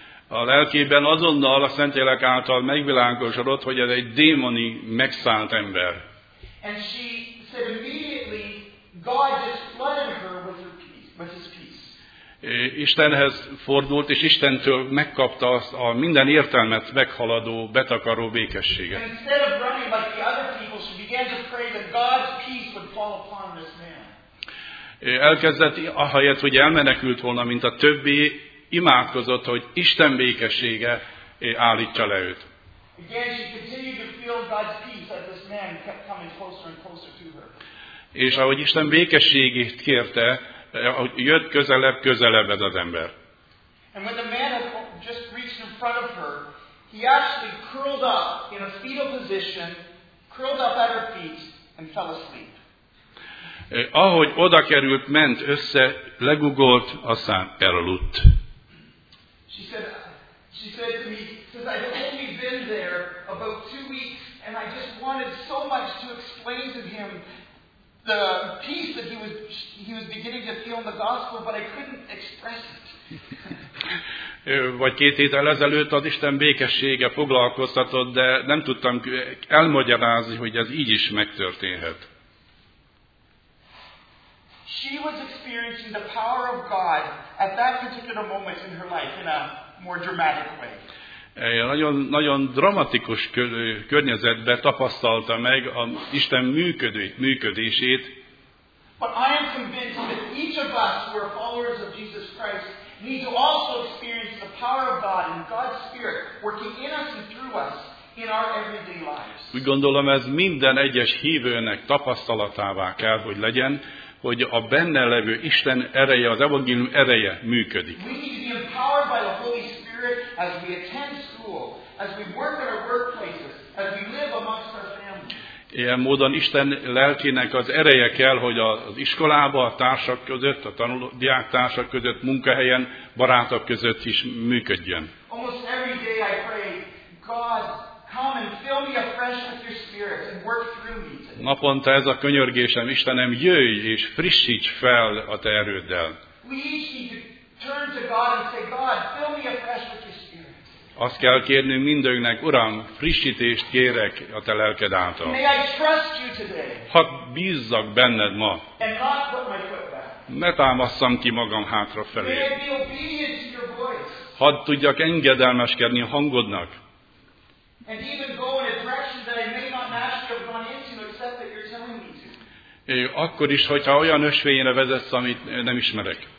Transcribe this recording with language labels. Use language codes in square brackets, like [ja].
[hu] A lelkében azonnal a Szentlélek által megvilágosodott, hogy ez egy démoni megszállt ember. [en] And she said immediately, God just flooded her with his peace. [hu] Istenhez fordult, és Istentől megkapta azt a minden értelmet meghaladó, betakaró békességet. [en] Instead of running like the other people, she began to pray that God's peace would fall upon this man. [hu] Elkezdett, ahelyett, hogy elmenekült volna, mint a többi, imádkozott, hogy Isten békessége állítsa le őt. [en] Again, she continued to feel God's peace as this man kept coming closer and closer to her. [hu] És ahogy Isten békességét kérte, jött közelebb ez az ember. [en] And when the man had just reached in front of her, he actually curled up in a fetal position, curled up at her feet, and fell asleep. [hu] Ahogy oda került, ment össze, legugolt, aztán elaludt. [en] She said to me, says, I've only been there about 2 weeks, and I just wanted so much to explain to him the peace that he was beginning to feel in the gospel, but I couldn't express it. [hu] Vagy két héttel ezelőtt az Isten békessége foglalkoztatott, de nem tudtam elmagyarázni, hogy ez így is megtörténhet. [en] She was experiencing the power of God at that particular moment in her life in a more dramatic way. [hu] Nagyon, nagyon dramatikus környezetben tapasztalta meg a Isten működését. [en] But I am convinced that each of us who are followers of Jesus Christ need to also experience the power of God and God's Spirit working in us and through us in our everyday lives. [hu] Úgy gondolom, ez minden egyes hívőnek tapasztalatává kell, hogy legyen, hogy a benne levő Isten ereje, az evangélium ereje működik. [en] We need to be empowered by the Holy Spirit as we attend school, as we work at our workplaces, as we live amongst our families. [hu] Ilyen módon Isten lelkének az ereje kell, hogy az iskolába, a társak között, a tanuló diáktársak között, munkahelyen, barátok között is működjön. [en] Almost every day I pray, God, come and fill me afresh with your Spirit and work through me. [hu] Naponta ez a könyörgésem, Istenem, jöjj és frissíts fel a te erőddel. [en] Turn to God and say, God, fill me afresh with your Spirit. [hu] Azt kell kérnünk mindenkinek, Uram, frissítést kérek a te lelked által. [en] May I trust you today? [hu] Hadd bízzak benned ma. [en] And not put my foot back. [hu] Ne támasszam ki magam hátrafelé. [en] May I be obedient to your voice. [hu] Hadd tudjak engedelmeskedni a hangodnak. [en] And even go in a direction that I may not naturally have gone into, except that you're telling me to. [hu] Akkor is, hogyha olyan ösvényre vezetsz, amit nem ismerek.